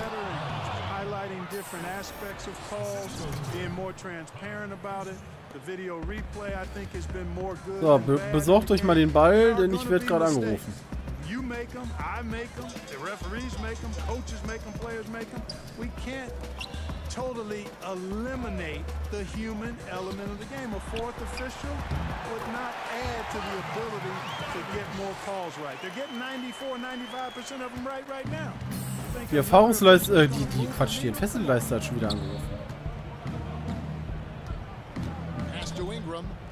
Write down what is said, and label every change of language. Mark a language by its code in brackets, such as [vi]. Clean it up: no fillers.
[en] Highlighting different aspects of calls, being more transparent about it. The video replay, I think, has been more good. [de] So, besorgt euch mal den Ball, denn ich werde gerade angerufen. [en] You make them, I make them, the referees make them, coaches make them, players make them. We can't totally eliminate the human element of the game. A fourth official would not add to the ability to get more calls right. They're getting 94-95% of them right right now. [de] Die Erfahrungsleiste, die Quatsch, die Entfesselleiste hat schon wieder angerufen.